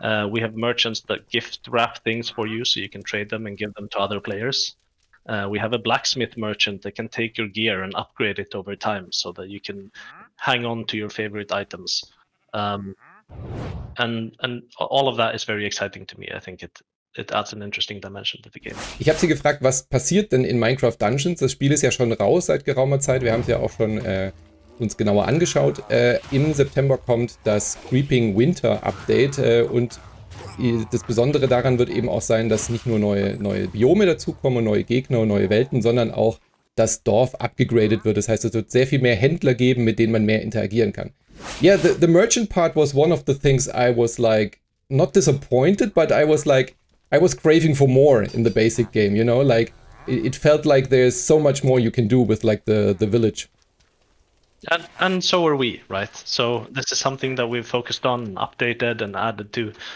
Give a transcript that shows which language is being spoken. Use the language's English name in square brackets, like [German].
[English] We have merchants that gift wrap things for you so you can trade them and give them to other players. We have a blacksmith merchant that can take your gear and upgrade it over time so that you can hang on to your favorite items. And all of that is very exciting to me. I think it adds an interesting dimension to the game. [German] Ich habe sie gefragt, was passiert denn in Minecraft Dungeons? Das Spiel ist ja schon raus seit geraumer Zeit. Wir haben es ja auch schon uns genauer angeschaut. Im September kommt das Creeping Winter Update und das Besondere daran wird eben auch sein, dass nicht nur neue Biome dazukommen, neue Gegner, neue Welten, sondern auch das Dorf upgraded wird. Das heißt, es wird sehr viel mehr Händler geben, mit denen man mehr interagieren kann. [English] Yeah, the merchant part was one of the things I was like, not disappointed, but I was like, I was craving for more in the basic game, you know? Like, it felt like there's so much more you can do with like the village. And so are we, right? So this is something that we've focused on, updated and added to.